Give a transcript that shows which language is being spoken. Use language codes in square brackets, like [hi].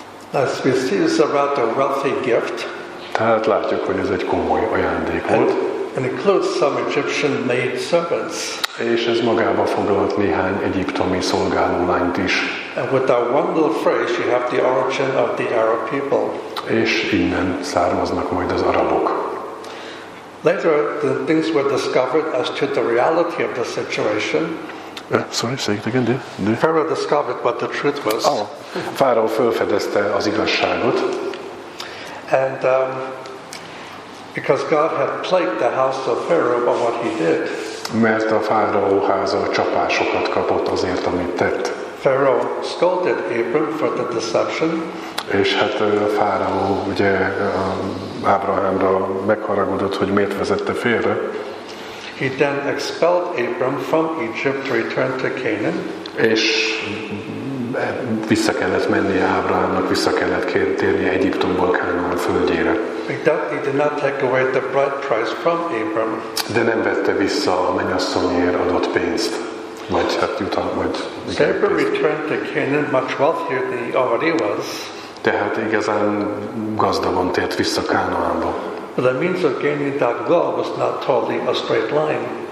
[en] As we see, it's about a wealthy gift. [hu] Tehát látjuk, hogy ez egy komoly ajándék volt. [en] And includes some Egyptian maid servants. [hu] És ez magába foglalt néhány egyiptomi szolgálólányt is. [en] And with that one little phrase, you have the origin of the Arab people. [hu] És innen származnak majd az arabok. [en] Later, the things were discovered as to the reality of the situation. Sorry, say it again, dear. Pharaoh discovered what the truth was. [hu] Oh, Pharaoh felfedezte az igazságot. [en] And because God had plagued the house of Pharaoh by what he did. [hu] Mert a Fáraó háza csapásokat kapott azért, amit tett. [en] Pharaoh scolded Abram for the deception. [hu] És hát a Fáraó ugye Ábrahámra megharagudott, hogy miért vezette félre. [en] He then expelled Abram from Egypt to return to Canaan. [hu] És vissza kellett mennie Ábrahámnak, vissza kellett térnie Egyiptomból Kánaán földjére. [en] He did not take away the bride price from Abram. [hu] De nem vette vissza a mennyasszonyért adott pénzt. Vagy hát jutalmat, vagy [en] so Abram returned to Canaan much wealthier than he already was. [hu] Tehát igazán gazdagon tért vissza Kánaánba. [en] But the means of gaining that goal was not totally a straight line.